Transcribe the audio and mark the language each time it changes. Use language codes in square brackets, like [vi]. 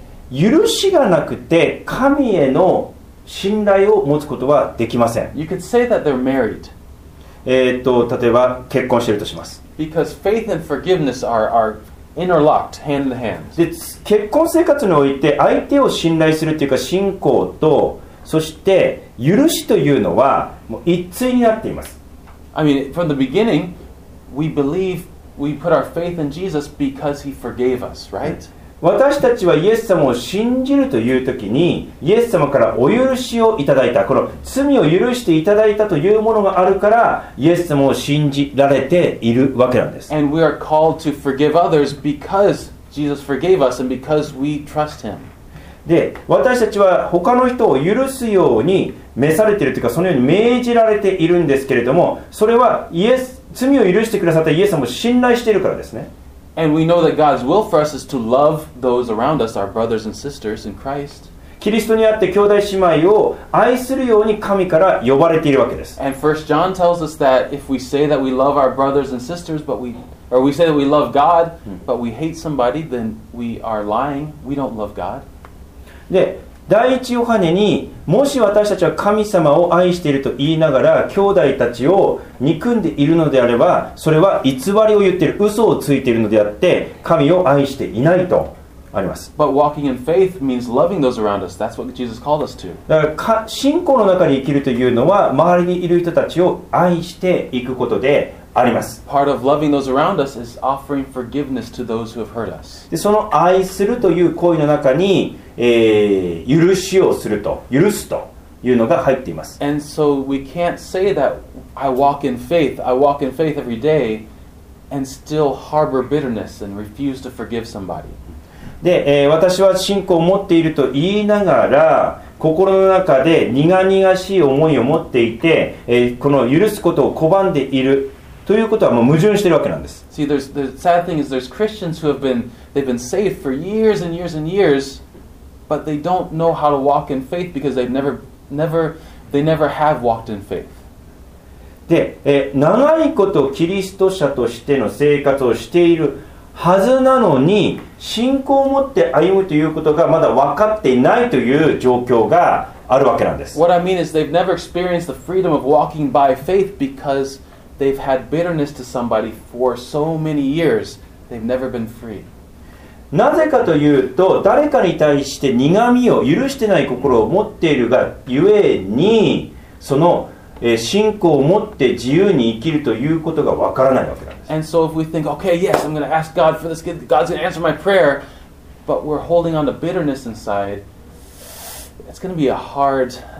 [ja] 許しがなくて神への信頼を持つことはできません。 [en] You could say that they're married. [ja] 例えば結婚しているとします。 [en] Because faith and forgiveness are interlocked hand in hand. [ja] で、結婚生活において相手を信頼するというか信仰とそして許しというのはもう一対になっています。 [en] I mean, from the beginning, we believe we put our faith in Jesus because He forgave us, right? [ja] 私たちはイエス様を信じるというときにイエス様からお許しをいただいた、この罪を許していただいたというものがあるからイエス様を信じられているわけなんです。 [en] And we are called to forgive others because Jesus forgave us and because we trust him. [ja] で、私たちは他の人を許すように召されているというかそのように命じられているんですけれども、それはイエス罪を許してくださったイエス様を信頼しているからですね。 [en] And we know that God's will for us is to love those around us, our brothers and sisters in Christ. [ja] キリストにあって兄弟姉妹を愛するように神から呼ばれているわけです。 [en] And 1 John tells us that if we say that we love our brothers and sisters, or we say that we love God, but we hate somebody, then we are lying. We don't love God. [ja] で、第一ヨハネにもし私たちは神様を愛していると言いながら兄弟たちを憎んでいるのであれば、それは偽りを言っている、嘘をついているのであって神を愛していないとあります。 [en] But walking in faith means loving those around us. That's what Jesus called us to. [ja] だから信仰の中に生きるというのは周りにいる人たちを愛していくことであります。 [en] Part of loving those around us is offering forgiveness to those who have hurt us. [ja] で、その愛するという行為の中に許しをすると、許すというのが入っています。 [en] And so we can't say that I walk in faith every day and still harbor bitterness and refuse to forgive somebody. [ja] で、私は信仰を持っていると言いながら、心の中で苦々しい思いを持っていて、この許すことを拒んでいるということはもう矛盾しているわけなんです。 [en] See, the sad thing is there's Christians who have been, they've been saved for years and years and years. But they don't know how to walk in faith because they've never have walked in faith. [ja] で、長いことキリスト者としての生活をしているはずなのに、信仰を持って歩むということがまだ分かっていないという状況があるわけなんです。 [en] What I mean is they've never experienced the freedom of walking by faith because they've had bitterness to somebody for so many years. They've never been free. [ja] なぜかというと、誰かに対して苦みを許してない心を持っているがゆえに、その信仰を持って自由に生きるということがわからないわけなんです。 [en] And so if we think, okay, yes, I'm going to ask God for this gift, God's going to answer my prayer, but we're holding on to bitterness inside, it's going to be hard.